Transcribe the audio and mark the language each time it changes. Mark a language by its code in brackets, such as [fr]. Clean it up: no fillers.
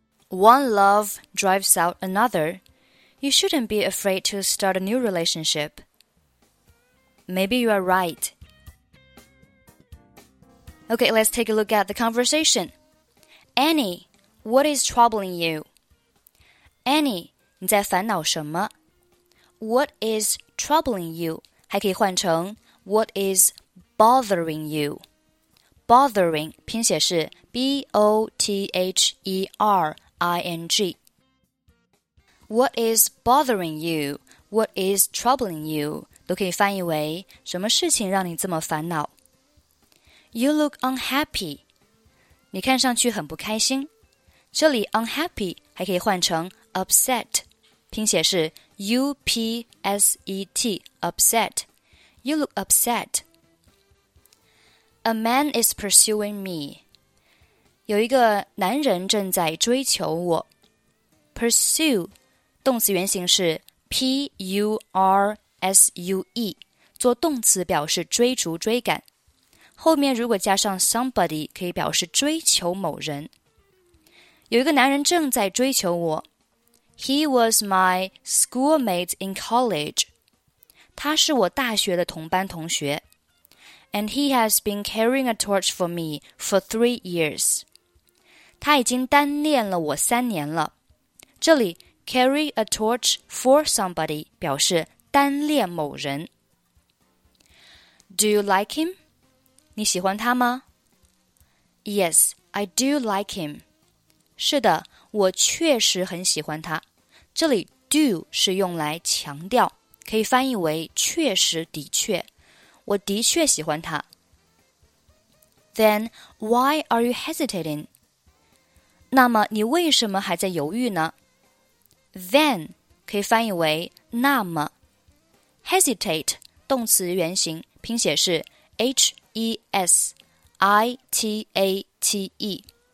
[en] One love drives out another. You shouldn't be afraid to start a new relationship. Maybe you are right. Okay, let's take a look at the conversation. Annie, what is troubling you? [zh] Annie, 你在烦恼什么? [en] What is troubling you? [zh] 还可以换成 [en] What is bothering you? [zh] Bothering, 拼写是 B-O-T-H-E-R-I-N-G. [en] What is bothering you? What is troubling you? [zh] 都可以翻译为什么事情让你这么烦恼? [en] You look unhappy. [zh] 你看上去很不开心。这里 unhappy 还可以换成 upset. 拼写是 U-P-S-E-T, upset. [en] You look upset. A man is pursuing me. [zh] 有一个男人正在追求我。 [en] Pursue. [zh] 动词原形是 P-U-R-S-U-E, 做动词表示追逐追赶。后面如果加上 somebody, 可以表示追求某人。有一个男人正在追求我。 [en] He was my schoolmate in college. [zh] 他是我大学的同班同学。 [en] And he has been carrying a torch for me for 3 years. [zh] 他已经单恋了我3年了。这里 [en] Carry a torch for somebody [zh] 表示单恋某人。 [en] Do you like him? [zh] 你喜欢他吗? [en] Yes, I do like him. [zh] 是的，我确实很喜欢他。这里 do 是用来强调，可以翻译为确实的确。我的确喜欢他。 [en] Then why are you hesitating? [zh] 那么你为什么还在犹豫呢? Then 可以翻译为那么 Hesitate 动词原形拼写是 H-E-S-I-T-A-T-E